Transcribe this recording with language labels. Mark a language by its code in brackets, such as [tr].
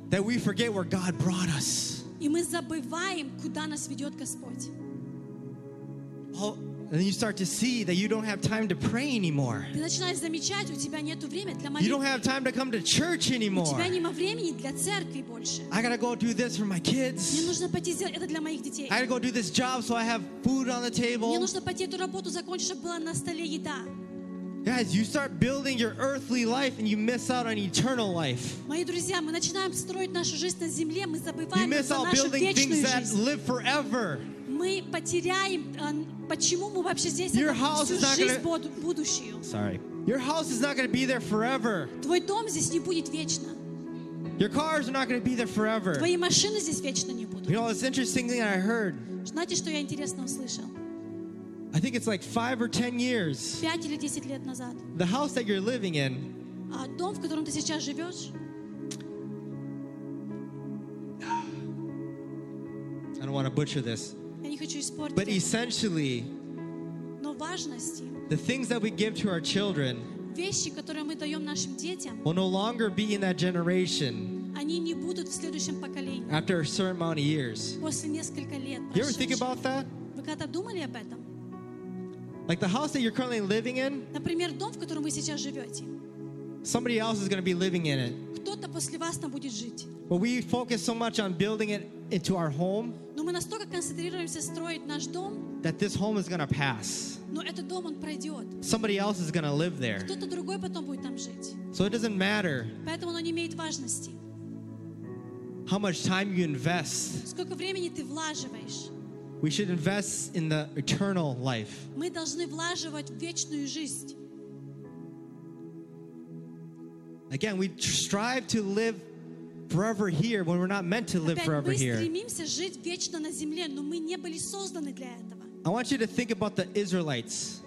[en] That we forget where God brought us. [ru] И мы забываем, куда нас ведет Господь. [en] All, And then you start to see that you don't have time to pray anymore. [ru] Ты начинаешь замечать, у тебя нету времени для молитвы. [en] You don't have time to come to church anymore. [ru] У тебя нет времени для церкви больше. [en] I gotta go do this for my kids. [ru] Мне нужно пойти сделать это для моих детей. [en] I gotta go do this job so I have food on the table. [ru] Мне нужно пойти эту работу закончить, чтобы была на столе еда. [en] Guys, you start building your earthly life and you miss out on eternal life. [ru] Мои друзья, мы начинаем строить нашу жизнь на земле, мы забываем про нашу вечную жизнь. [en] You miss out building things that live forever. [ru] Мы потеряем почему мы вообще здесь? [en] Your house is not gonna... [ru] будущую. [en] Sorry. Your house is not going to be there forever. [ru] Твой дом здесь не будет вечно. [en] Your cars are not going to be there forever. [ru] Твои машины здесь вечно не будут. [en] You know, it's interesting thing I heard. [ru] Знаете, что я интересно услышал? [en] I think it's like 5 or 10 years. [ru] 5 или 10 лет назад. [en] The house that you're living in. [ru] А дом, в котором ты сейчас живешь? [en] I don't want to butcher this. [ru] Я не хочу испортить. [en] But essentially, [ru] но важности, [en] the things that we give to our children, [ru] вещи, которые мы даем нашим детям, [en] will no longer be in that generation. [ru] Они не будут в следующем поколении. [en] After a certain amount of years. [ru] После нескольких лет. [en] You ever think about that? [ru] Вы когда-то думали об этом? [en] Like the house that you're currently living in. [ru] Например, дом, в котором вы сейчас живете. [en] Somebody else is going to be living in it. [ru] Кто-то после вас там будет жить. [en] But we focus so much on building it into our home. [ru] Но мы настолько концентрируемся строить наш дом. [en] That this home is going to pass. [ru] Но этот дом он пройдет. [en] Somebody else is going to live there. [ru] Кто-то другой потом будет там жить. [en] So it doesn't matter. [ru] Поэтому оно не имеет важности. [en] How much time you invest. [ru] Сколько времени ты вложиваешь. [en] We should invest in the eternal life. [ru] Мы должны вложить в вечную жизнь. [en] Again, we strive to live forever here when we're not meant to live forever here. [ru] Опять мы стремимся жить вечно на земле, но мы не были созданы для этого. [en] I want you to think about the Israelites.